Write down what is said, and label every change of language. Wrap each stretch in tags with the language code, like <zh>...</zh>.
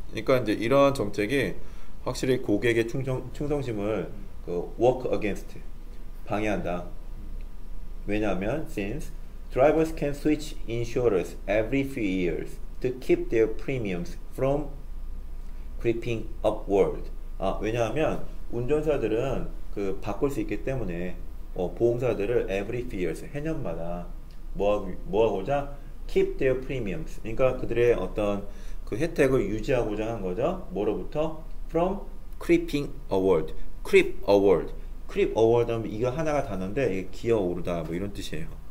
<ko>그러니까 이제 이러한 정책이 확실히 고객의 충성심을</ko> <en>work against,</en> <ko>방해한다.</ko> <en>왜냐하면 since drivers can switch insurers every few years to keep their premiums from creeping upward.</en> <ko>아, 왜냐하면 운전사들은 그 바꿀 수 있기 때문에 보험사들을</ko> <en>every few years</en> <ko>해년마다 뭐하고자</ko> <en>keep their premiums</en> <ko>그러니까 그들의 어떤 그 혜택을 유지하고자 한 거죠. 뭐로부터?</ko> <en>From creeping award, creep award,</en> <ko>creep award 하면 이거 하나가 단어인데 이게 기어 오르다 뭐 이런 뜻이에요.</ko>